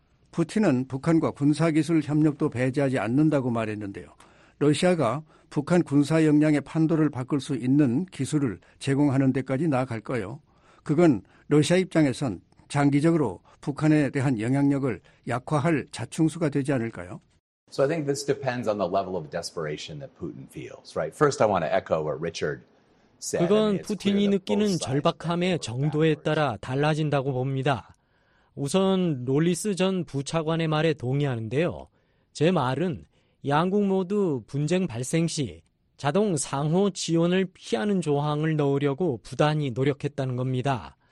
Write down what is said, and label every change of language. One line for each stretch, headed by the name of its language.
Korean: 푸틴은 북한과 군사기술 협력도 배제하지 않는다고 말했는데요. 러시아가 북한 군사 역량의 판도를 바꿀 수 있는 기술을 제공하는 데까지 나아갈까요? 그건 러시아 입장에선 장기적으로 북한에 대한 영향력을 약화할 자충수가 되지 않을까요?
English: So I think this depends on the level of desperation that Putin feels, right? First, I want to echo what Richard said.
Korean: 그건 푸틴이 느끼는 절박함의 정도에 따라 달라진다고 봅니다. 우선 롤리스 전 부차관의 말에 동의하는데요. 제 말은 양국 모두 분쟁 발생 시 자동 상호 지원을 피하는 조항을 넣으려고 부단히 노력했다는 겁니다.